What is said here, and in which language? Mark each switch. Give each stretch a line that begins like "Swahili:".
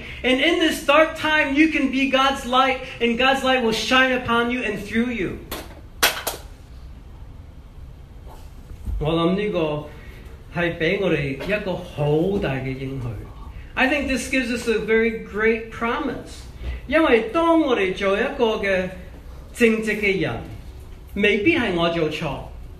English: And in this dark time, you can be God's light, and God's light will shine upon you and through you.
Chinese: 我想这个是给我们一个很大的应许。
English: I think this gives us a very great promise.
Chinese: 因为当我们做一个正直的人，未必是我做错。